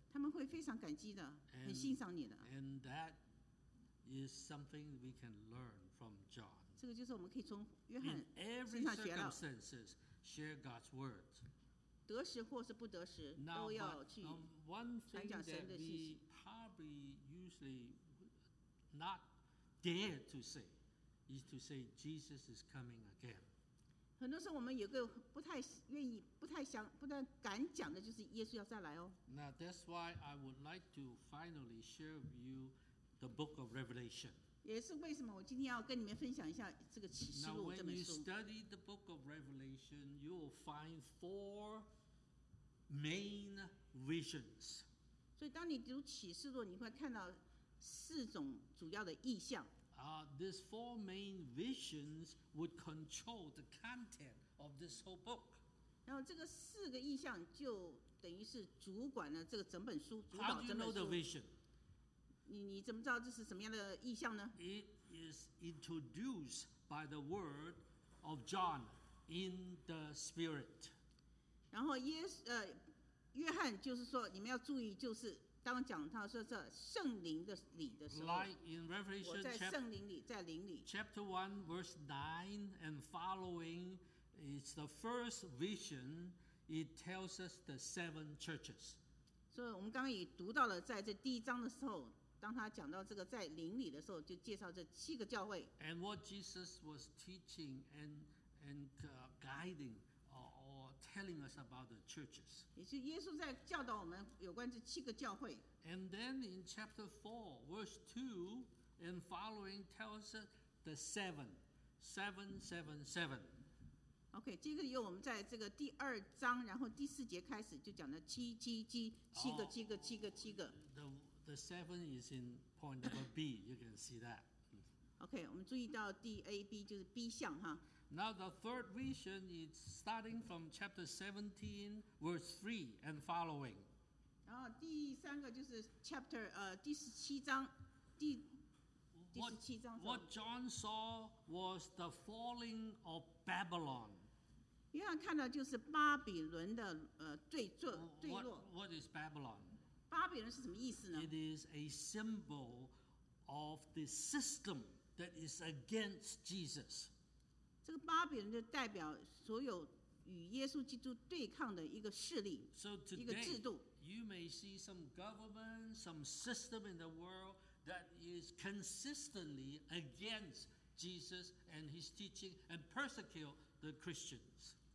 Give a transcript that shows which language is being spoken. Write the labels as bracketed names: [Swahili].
[Chinese] 他们会非常感激的，很欣赏你的。 [English] And that is something we can learn from John. [Chinese] 这个就是我们可以从约翰身上学到。 [English] In every circumstance, share God's word. [Chinese] 得时或是不得时，都要去传讲神的信息。 [English] One thing that we probably usually not dare to say is to say Jesus is coming again. [Chinese] 很多时候我们有个不太愿意、不太想、不太敢讲的，就是耶稣要再来哦。 [English] Now that's why I would like to finally share with you the book of Revelation. [Chinese] 也是为什么我今天要跟你们分享一下这个启示录这本书。 [English] Now when you study the book of Revelation, you will find four main visions. [Chinese] 所以当你读启示录，你会看到四种主要的意象。 [English] These four main visions would control the content of this whole book. [Chinese] 然后这个四个意象就等于是主管了这个整本书，主导整本书。 [English] How do you know the vision? [Chinese] 你怎么知道这是什么样的意象呢？ [English] It is introduced by the word of John in the Spirit. [Chinese] 然后约翰就是说，你们要注意，就是当讲他说这圣灵的里的时候， [English] like in Revelation [Chinese] 我在圣灵里，在灵里。 [English] Chapter 1 verse 9 and following, it's the first vision. It tells us the seven churches. [Chinese] 所以我们刚刚也读到了，在这第一章的时候，当他讲到这个在灵里的时候，就介绍这七个教会。 [English] And what Jesus was teaching and guiding or telling us about the churches. [Chinese] 也是耶稣在教导我们有关这七个教会。 [English] And then in chapter 4, verse 2 and following tells us the seven. Seven, seven, seven. Okay, [Chinese] 这个由我们在这个第二章，然后第四节开始就讲了七七七，七个七个七个七个。 [English] The seven is in point number B, you can see that. Okay, [Chinese] 我们注意到 DAB 就是 B 项哈。 [English] Now the third vision is starting from chapter 17, verse 3 and following. [Chinese] 然后第三个就是 chapter 第十七章，第十七章。 [English] What John saw was the falling of Babylon. [Chinese] 约翰看到就是巴比伦的坠落。 [English] What is Babylon? [Chinese] 巴比伦是什么意思呢？ [English] It is a symbol of the system that is against Jesus. [Chinese] 这个巴比伦就代表所有与耶稣基督对抗的一个势力， [English] so、today, [Chinese] 一个制度。 [English] You may see some government, some system in the world that is consistently against Jesus and his teaching and persecute the Christians.